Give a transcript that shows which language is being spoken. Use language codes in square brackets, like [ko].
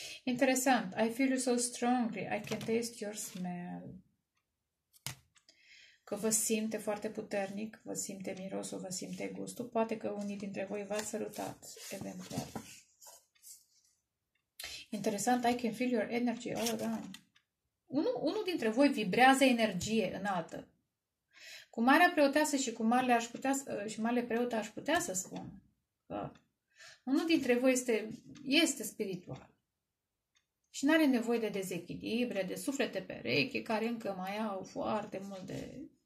[en] Interesant. I feel you so strongly. I can taste your smell. [ro] Că vă simte foarte puternic, vă simte mirosul, vă simte gustul. Poate că unii dintre voi v-ați salutat eventual. [en] Interesant. I can feel your energy all around. [ro] Unul dintre voi vibrează energie înaltă. Cu marea preoteasă și cu marele, aș putea, și marele preotă aș putea să spun că unul dintre voi este spiritual și nu are nevoie de dezechilibre, de suflete pereche care încă mai au foarte mult de...